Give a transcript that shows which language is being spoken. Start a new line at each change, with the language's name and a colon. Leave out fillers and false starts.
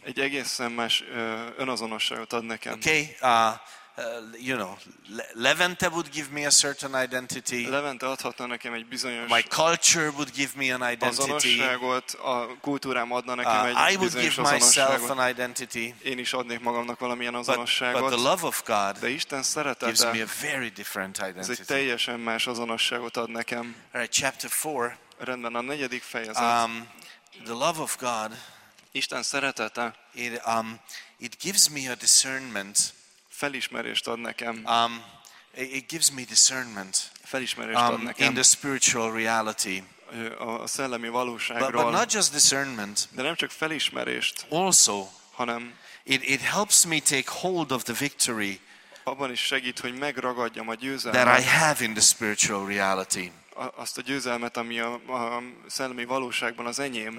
Hungarian: Egy egészen más önazonosságot ad nekem.
English: Okay. You know, Levente would give me a certain identity.
Hungarian: Levente adhatna nekem egy bizonyos.
English: My culture would give me an identity.
Hungarian: Azonosságot, a kultúrám adna nekem egy bizonyos.
English: I would give myself an identity.
Hungarian: Én is adnék magamnak valamilyen azonosságot.
English: But the love of God.
Hungarian: De Isten szeretete.
English: Gives me a very different identity.
Hungarian: Ez egy teljesen más azonosságot ad nekem.
English: Right, chapter 4.
Hungarian: Rendben, a negyedik fejezet.
English: The love of God.
Hungarian: Isten szeretete.
English: It gives me a discernment.
Hungarian: Felismerést ad nekem.
English: It gives me discernment.
Hungarian: Felismerést ad nekem.
English: In the spiritual reality.
Hungarian: A szellemi valóságról.
English: But not just discernment.
Hungarian: De nem csak felismerést.
English: Also.
Hungarian: Hanem.
English: It helps me take hold of the victory.
Hungarian: Abban is segít, hogy megragadjam a győzelmet.
English: That I have in the spiritual reality.
Hungarian: Azt a győzelmet, ami a szellemi valóságban az enyém.